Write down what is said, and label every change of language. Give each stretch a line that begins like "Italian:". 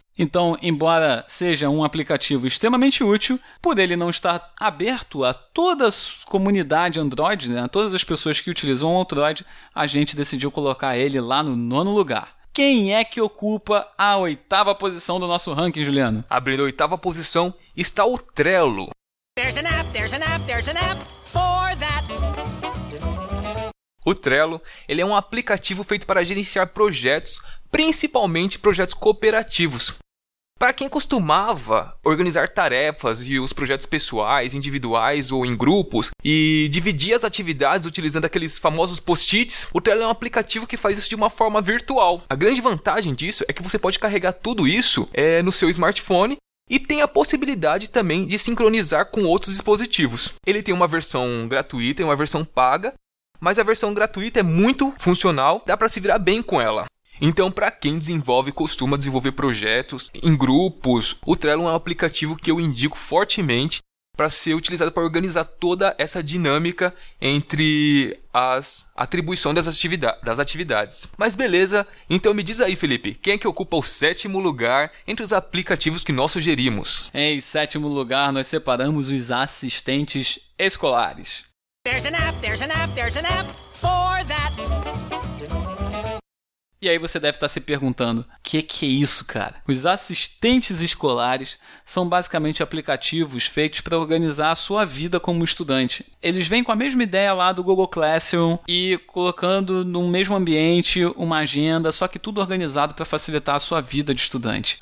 Portuguese: Então, embora seja um aplicativo extremamente útil, por ele não estar aberto a toda a comunidade Android, né, a todas as pessoas que utilizam o Android, a gente decidiu colocar ele lá no nono lugar. Quem é que ocupa a oitava posição do nosso ranking, Juliano? Abrindo a oitava posição está o Trello.
English: There's an app, there's an app, there's an app for that.
Portuguese: O Trello, ele é um aplicativo feito para gerenciar projetos, principalmente projetos cooperativos. Para quem costumava organizar tarefas e os projetos pessoais, individuais ou em grupos e dividir as atividades utilizando aqueles famosos post-its, o Trello é um aplicativo que faz isso de uma forma virtual. A grande vantagem disso é que você pode carregar tudo isso no seu smartphone e tem a possibilidade também de sincronizar com outros dispositivos. Ele tem uma versão gratuita e uma versão paga, mas a versão gratuita é muito funcional, dá para se virar bem com ela. Então, para quem desenvolve e costuma desenvolver projetos em grupos, o Trello é um aplicativo que eu indico fortemente para ser utilizado para organizar toda essa dinâmica entre as atribuições das atividades. Mas beleza, então me diz aí, Felipe, quem é que ocupa o sétimo lugar entre os aplicativos que nós sugerimos? Em sétimo lugar, nós separamos os assistentes escolares.
English: There's an app, there's an app, there's an app for that.
Portuguese: E aí você deve estar se perguntando, que é isso, cara? Os assistentes escolares são basicamente aplicativos feitos para organizar a sua vida como estudante. Eles vêm com a mesma ideia lá do Google Classroom e colocando no mesmo ambiente uma agenda, só que tudo organizado para facilitar a sua vida de estudante.